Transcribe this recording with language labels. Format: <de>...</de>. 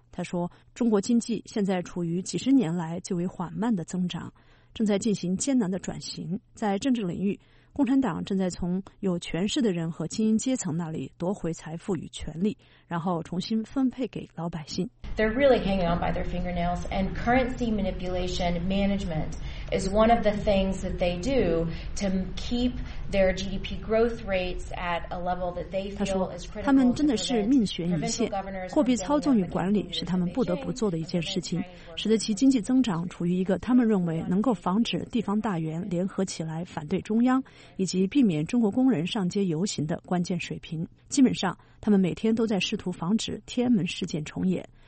<zh>他说，中国经济现在处于几十年来最为缓慢的增长，正在进行艰难的转型。在政治领域，共产党正在从有权势的人和精英阶层那里夺回财富与权力，然后重新分配给老百姓。</zh> <en>They're really hanging on by their fingernails, and currency manipulation management is one of the things that they do to keep their GDP growth rates at a level that they feel is critical.</en> <zh>他们真的是命悬一线，货币操纵与管理是他们不得不做的一件事情，使得其经济增长处于一个他们认为能够防止地方大员联合起来反对中央，以及避免中国工人上街游行的关键水平。基本上，他们每天都在试图防止天安门事件重演。</zh>